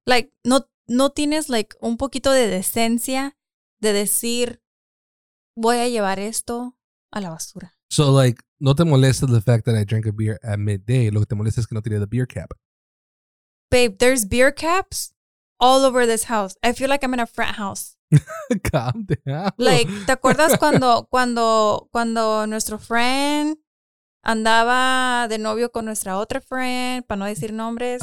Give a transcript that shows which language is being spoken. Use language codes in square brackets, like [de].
[es] Like, no tienes, like, un poquito de decencia de decir, voy a llevar esto a la basura. [en] So, like, [es] no te molesta [en] the fact that I drank a beer at midday. [es] Lo que te molesta es que no tiré [en] the beer cap. Babe, there's beer caps all over this house. I feel like I'm in a frat house. Calm down. [es] Like, ¿te acuerdas cuando nuestro friend andaba de novio con nuestra otra friend, para no decir nombres?